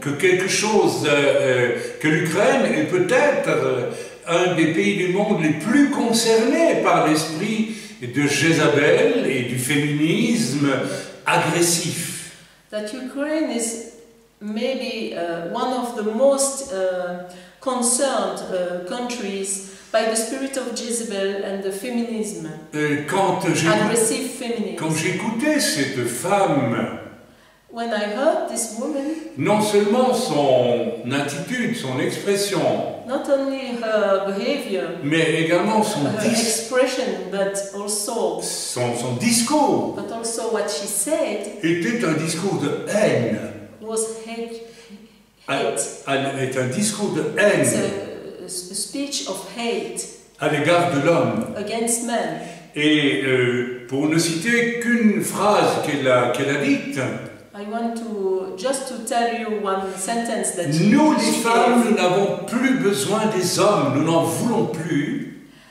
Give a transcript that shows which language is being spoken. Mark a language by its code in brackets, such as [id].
[fr] que quelque chose que l'Ukraine est peut-être un des pays du monde les plus concernés par l'esprit de Jézabel et du féminisme agressif. [en] That Ukraine is maybe one of the most concerned countries by the spirit of Jezebel and the feminism. Aggressive feminism. [fr] Quand j'écoutais cette femme, [en] when I heard this woman, [fr] non seulement son attitude, son expression, [en] not only her behavior, [fr] mais également son [en] expression, but also [fr] son discours, [en] but also what she said, [fr] était un discours de haine. [en] Was hate. [fr] Est un discours de haine. [en] A speech of hate [fr] à l'égard de l'homme. [en] Against men. [fr] Et pour ne citer qu'une phrase qu'elle a dite, [en] I want to just to tell you one sentence that [fr] nous les femmes, nous n'avons plus besoin des hommes, nous n'en voulons plus.